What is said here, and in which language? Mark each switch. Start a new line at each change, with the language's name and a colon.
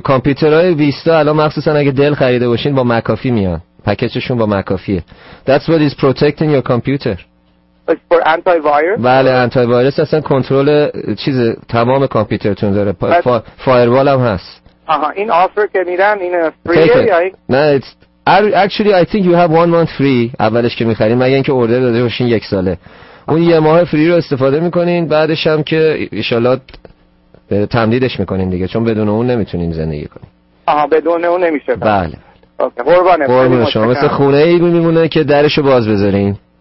Persian: کامپیوترهای ویستا الان مخصوصا اگه دل خریده باشین با مکافی میان. پکیجشون با مکافیه.
English: That's what is protecting your computer. It's for antivirus.
Persian: بله، antivirus اصلا کنترل چیز تمام کامپیوترتون داره. فایروال هم هست. آها، این آفر که میدن این فری یا
English: نه؟ It's actually I think you have one month free.
Persian: اولش که می‌خرید، مگه اینکه اوردر داده باشین یک ساله. اون یه ماه فری رو استفاده می‌کنین، بعدش هم که ان شاءالله تمدیدش می‌کنین دیگه، چون بدون اون نمیتونین زندگی کنین. آها، بدون اون نمیشه. بله. اوکی، قربانه. قربان شما. مثل خونه ای میمونه که درشو باز بذارین.